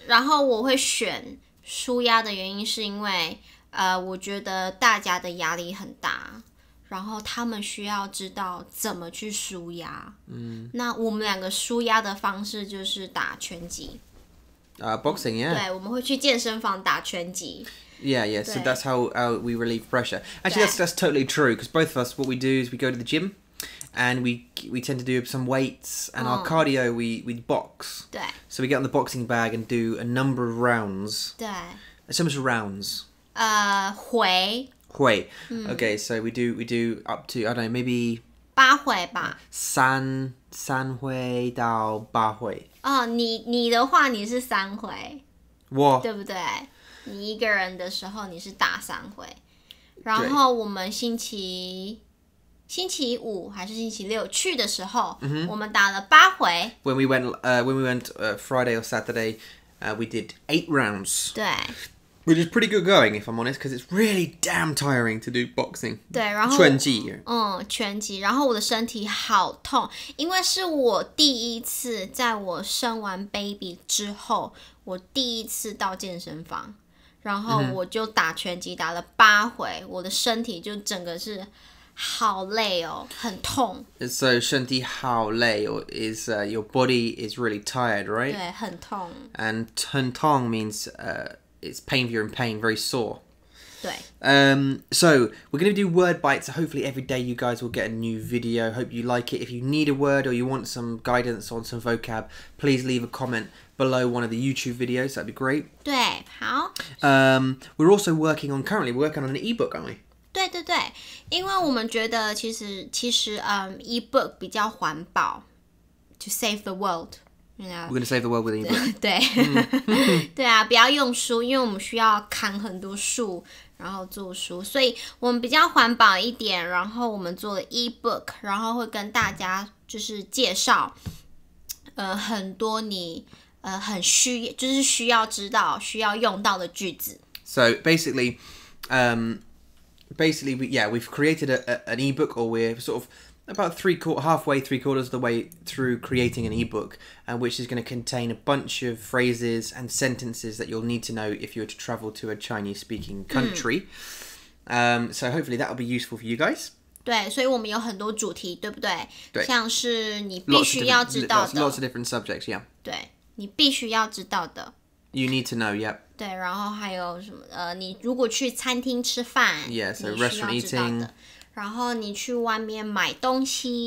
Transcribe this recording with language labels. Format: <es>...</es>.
<zh>然后我会选舒压的原因是因为，我觉得大家的压力很大。然后他们需要知道怎么去舒压。嗯，那我们两个舒压的方式就是打拳击。</zh> <en>Boxing, yeah.</en> <zh>对，我们会去健身房打拳击。</zh> <en>Yeah, yeah. So that's how we relieve pressure. Actually, that's totally true. Because both of us, what we do is we go to the gym, and we tend to do some weights and our cardio. We box.</en> <zh>对。</zh> <en>So we get on the boxing bag and do a number of rounds.</en> <zh>对。</zh> <en>So much rounds.</en> <zh>回。回、嗯、</zh> <en>okay, so we do up to, I don't know, maybe</en> <zh>八回吧，三回到八回。哦，你的话你是三回，我对不对？你一个人的时候你是打三回，然后我们星期五还是星期六去的时候、 mm-hmm. 我们打了八回。</zh> <en>When we went Friday or Saturday, we did 8 rounds.</en> <zh>对，</zh> <en>which is pretty good going, if I'm honest, because it's really damn tiring to do boxing.</en> <zh>对，然后拳击，拳击，然后我的身体好痛，因为是我第一次在我生完 baby 之后，我第一次到健身房，然后我就打拳击打了八回，我的身体就整个是好累哦，很痛。</zh> <en>So</en> <zh>身体好累</zh> <en>is your body is really tired, right?</en> <zh>对，很痛。</zh> <en>And</en> <zh>很痛</zh> <en>means it's pain, you're in pain, very sore.</en> <zh>对。</zh> <en>So, we're going to do word bites. Hopefully every day you guys will get a new video. Hope you like it. If you need a word or you want some guidance on some vocab, please leave a comment below one of the YouTube videos. That'd be great.</en> <zh>对，好。</zh> <en>We're also working on, currently, we're working on an e-book, aren't we?</en> <zh>对对对，因为我们觉得其实e-book 比较环保</zh> <en>to save the world. You know, we're going to save the world with an ebook.</en> <zh>对, 对啊，不要用书，因为我们需要砍很多树，然后做书，所以我们比较环保一点，然后我们做了 ebook, 然后会跟大家就是介绍，很多你很需，就是需要知道，需要用到的句子。</zh> <en>So basically, we've created an ebook, or we're sort of... halfway, three quarters of the way through creating an ebook, which is going to contain a bunch of phrases and sentences that you'll need to know if you were to travel to a Chinese-speaking country. So hopefully that will be useful for you guys.</en> <zh>对，所以我们有很多主题，对不对？对，像是你必须要知道的。</zh> <en>Lots of different subjects, yeah.</en> <zh>对，你必须要知道的。</zh> <en>You need to know, yep.</en> <zh>对，然后还有什么？你如果去餐厅吃饭，</zh> <en>yeah, so restaurant eating.</en> <zh>然后你去外面买东西</zh>